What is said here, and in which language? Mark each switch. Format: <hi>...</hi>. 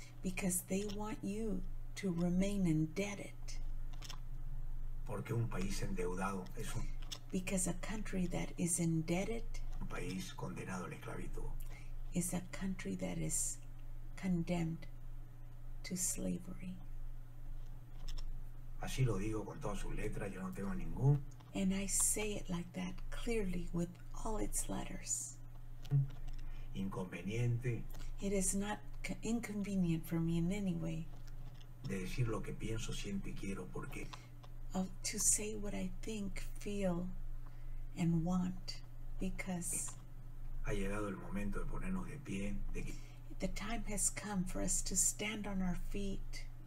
<en>because they want you to remain indebted</en> <es>porque un país endeudado es un</es> <en>because a country that is indebted</en> <es>un país condenado a la esclavitud</es> <en>is a country that is condemned to slavery.</en> <es>Así lo digo con todas sus letras, yo no tengo ningún.</es> <en>And I say it like that clearly with all its letters.</en> <es>Inconveniente.</es> <en>It is not inconvenient for me in any way.</en> <es>De decir lo que pienso, siento y quiero porque</es> <en>of to say what I think, feel and want because</en> <es>ha llegado el momento de ponernos de pie. De que</es> <en>the time has come for us to stand on our feet.</en>